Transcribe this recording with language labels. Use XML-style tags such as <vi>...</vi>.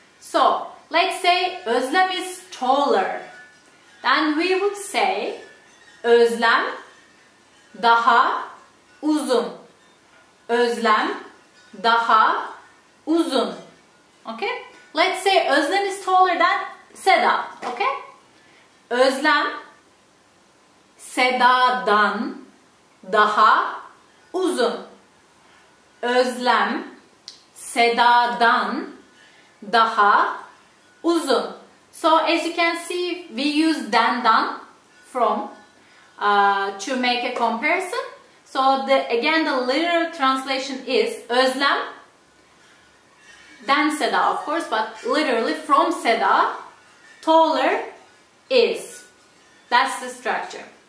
<en>So, let's say Özlem is taller. Then we would say</en> <tr>Özlem daha uzun. Özlem daha uzun.</tr> <en>Okay? Let's say Özlem is taller than Seda. Okay?</en> <tr>Özlem Seda'dan daha uzun. Özlem Seda'dan daha uzun.</tr> <en>So as you can see, we use dan'dan from to make a comparison. So the again the literal translation is Özlem dan Seda, of course, but literally from Seda taller is. That's the structure.</en>